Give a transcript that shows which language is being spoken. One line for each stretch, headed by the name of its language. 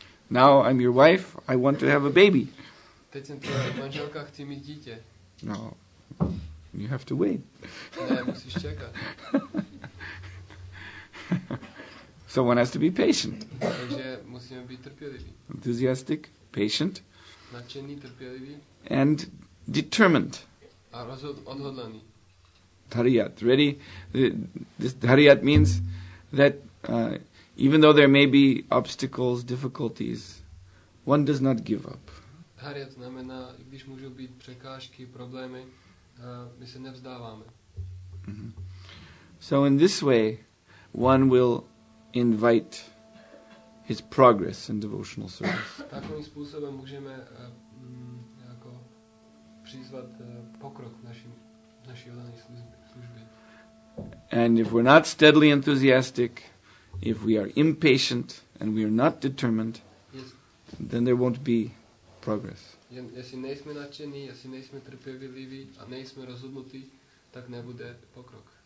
English: Now I'm your wife, I want to have a baby.
Czech: Teď jsem tvoje manželka, chci mít dítě.
English: No, you have to wait.
Czech: Ne, musíš čekat.
English: So one has to be patient.
Czech: Takže musíme být trpěliví.
English: Enthusiastic, patient.
Czech: Nadšený, trpělivý.
English: And determined.
Czech: A odhodlaný.
English: Dharyat, ready? This dharyat means that Even though there may be obstacles, difficulties, one does not give up.
Czech: Dharya znamená, i když můžou být překážky, problémy, my se nevzdáváme. Mm-hmm.
English: So in this way, one will invite his progress in devotional service.
Czech: Takovým způsobem můžeme jako přizvat pokrok naší odané službě.
English: And if we're not steadily enthusiastic, if we are impatient and we are not determined, then there won't be progress.
Czech: Jestli nejsme nadšení, jestli nejsme trpěliví a nejsme rozhodnutí, tak nebude pokrok.